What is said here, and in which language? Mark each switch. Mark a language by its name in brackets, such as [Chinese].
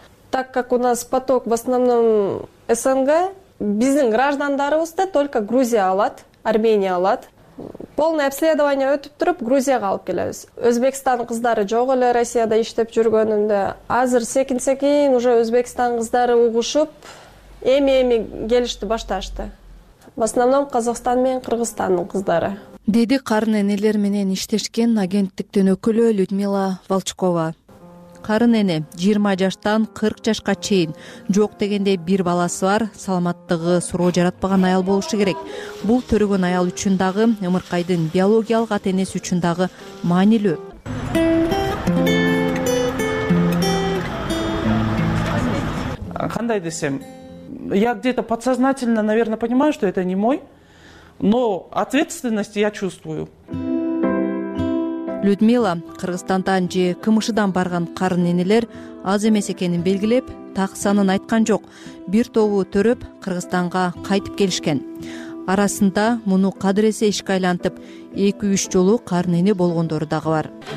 [Russian] Так как у нас поток в основном СНГ, [Kyrgyz] биздин граждандарыбызды только Грузия алат, Армения алат. Полный обследование өтүп туруп, Грузияга алып келебиз. Өзбекстан кыздары жок эле Россияда иштеп жүргөнүндө. Азыр секин-секин уже Өзбекстан кыздары угушуп, эми-эми келишти башташты. [Russian] В основном [Kyrgyz] Казахстан менен Кыргызстандын кыздары. Деди карын энелер менен иштешкен агенттиктин өкүлү Людмила Волчкова. Карын эне 20 жаштан 40 жашка чейин, жок дегенде бир баласы бар, саламаттыгы суроо жаратпаган аял болушу керек. Бул төрөгөн аял үчүн дагы, ымыркайдын биологиялык ата-энеси үчүн дагы маанилүү. Кандай десем, [Russian] я где-то подсознательно, наверное, понимаю, что это не мой, но ответственность я чувствую. [Kyrgyz] Людмила Кыргызстандан же КМШ-дан барган карын энелер аз эмес экенин белгилеп, так санын айткан жок. Бир тобу төрөп Кыргызстанга кайтып келишкен. Арасында муну кадыресе ишке айлантып, 2-3 жолу карын эне болгондору дагы бар.